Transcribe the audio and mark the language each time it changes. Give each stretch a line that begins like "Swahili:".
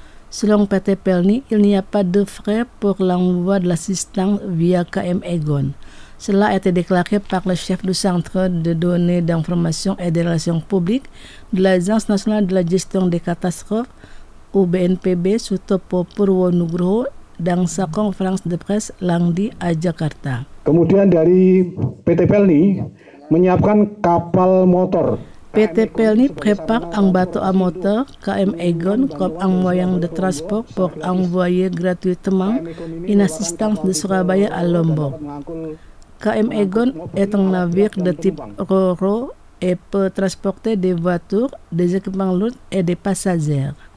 French: Selon PT Pelni, il n'y a pas de frais pour l'envoi de l'assistance via KM Egon. Cela a été déclaré par le chef du Centre de données d'information et des relations publiques de l'Agence nationale de la gestion des catastrophes, ou BNPB, Sutopo Purwonugroho, dans sa conférence de presse lundi à Jakarta.
Indonesian: Kemudian dari PT Pelni menyiapkan kapal motor.
French: PT Pelni prépare un bateau à moteur KM Egon comme un moyen de transport pour envoyer gratuitement une assistance de Surabaya à Lombok. KM Egon est un navire de type Roro et peut transporter des voitures, des équipements lourds et des passagers.